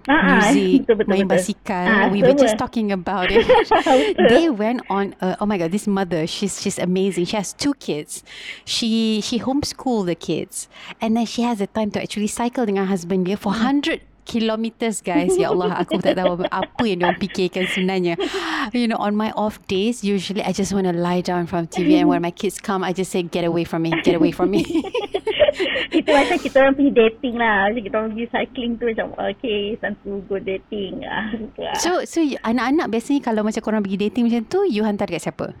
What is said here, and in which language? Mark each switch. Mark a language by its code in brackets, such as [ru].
[ms] Music, betul-betul, main basikal, we semua. [en] Were just talking about it. They went on, oh my God, this mother, she's amazing. She has 2 kids. She homeschooled the kids. And then she has the time to actually cycle [ms] dengan husband dia [en] for 100 kilometers, guys. [ms] Ya Allah, aku tak tahu apa yang diorang fikirkan sebenarnya. [en] You know, on my off days, usually I just want to lie down from TV, and when my kids come, I just say, get away from me, get away from me. [ms] Itu macam kita orang pergi dating lah. Macam kita orang pergi cycling tu macam, [en] okay, santu go dating [ms] lah. So anak-anak biasanya kalau macam korang pergi dating macam tu, you hantar dekat siapa?